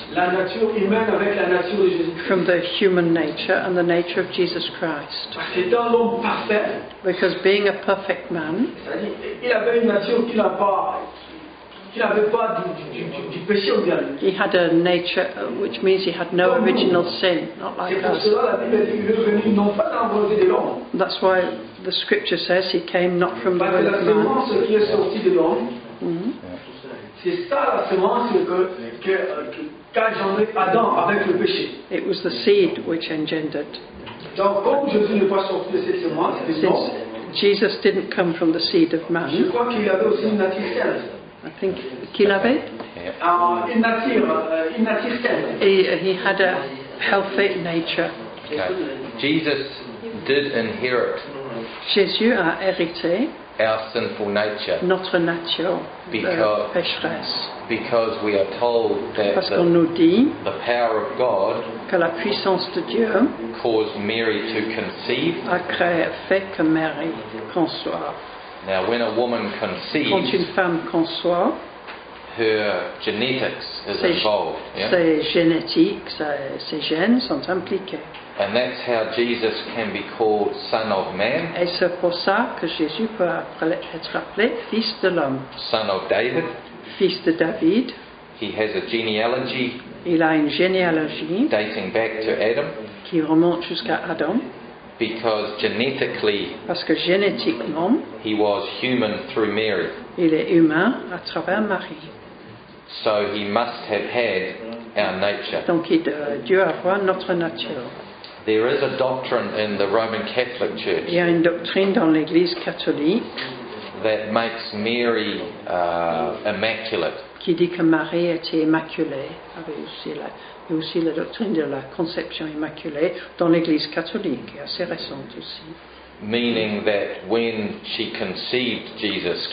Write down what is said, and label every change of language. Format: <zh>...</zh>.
<fr>la nature humaine avec la nature de Jésus-Christ.</fr> <en>From the human nature and the nature of Jesus Christ.</en> <fr>Parce que étant l'homme parfait,</fr> <en>because being a perfect man,</en> <fr>il avait une nature qui n'a pas. Du péché original.</fr> <en>He had a nature, which means he had no original sin, not like</en> <fr>c'est</fr> <en>us.</en> <fr>Cela, la Bible dit, il est venu non pas dans la volonté de l'homme.</fr> <en>That's why the scripture says he came not from</en> <fr>parce</fr> <en>the will of man.</en> <fr>La semence qui est sortie de l'homme, c'est ça la semence que Adam avec le péché.</fr> <en>It was the seed which engendered.</en> <fr>Donc, comme Jésus n'est pas sorti de cette semence, c'est non.</fr> <en>Jesus didn't come from the seed of man.</en> <fr>Je crois qu'il avait aussi une nature sainte.</fr> <en>I think</en> <fr>qu'il avait.</fr> <en>He had a healthy nature. Okay. Jesus did inherit.</en> <fr>Jésus a hérité.</fr> <en>Our sinful nature.</en> <fr>Notre nature.</fr> <en>Because.</en> <fr>Pécheresse.</fr> <en>Because we are told that.</en> <fr>Parce qu'on nous dit.</fr> <en>The power of God.</en> <fr>Que la puissance de Dieu.</fr> <en>Caused Mary to conceive.</en> <fr>A créé, fait que Marie conçoit.</fr> <en>Now, when a woman conceives,</en> <fr>quand une femme conçoit,</fr> <en>her genetics is involved. Yeah?</en> <fr>Ses génétiques, ses gènes sont impliqués.</fr> <en>And that's how Jesus can be called Son of Man.</en> <fr>Et c'est pour ça que Jésus peut être appelé Fils de l'homme.</fr> <en>Son of David.</en> <fr>Fils de David.</fr> <en>He has a genealogy.</en> <fr>Il a une généalogie.</fr> <en>Dating back to Adam.</en> <fr>Qui remonte jusqu'à Adam.</fr> <en>Because genetically,</en> <fr>parce que génétiquement,</fr> <en>he was human through Mary.</en> <fr>Il est humain à travers Marie.</fr> <en>So he must have had our nature.</en> <fr>Donc il doit avoir notre nature.</fr> <en>There is a doctrine in the Roman Catholic Church.</en> <fr>Il y a une doctrine dans l'Église catholique.</fr> <en>That makes Mary immaculate.</en> <fr>Qui dit que Marie était immaculée. Il y a aussi la doctrine de la conception immaculée dans l'Église catholique, assez récente aussi.</fr> <en>Meaning that when she conceived Jesus,</en>